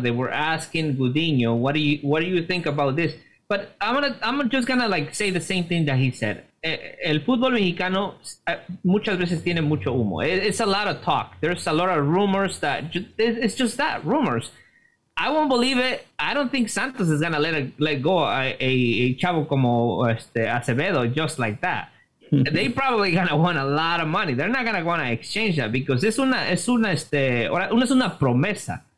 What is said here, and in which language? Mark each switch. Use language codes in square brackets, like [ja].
[en] They were asking Gudiño, what do you think about this? But I'm just gonna like say the same thing that he said. [es] El fútbol mexicano muchas veces tiene mucho humo. [en] It's a lot of talk. There's a lot of rumors that it's just that, rumors. I won't believe it. I don't think Santos is gonna let go a [es] chavo como Acevedo [en] just like that. They probably gonna want a lot of money. They're not gonna wanna exchange that because [es] es una promesa.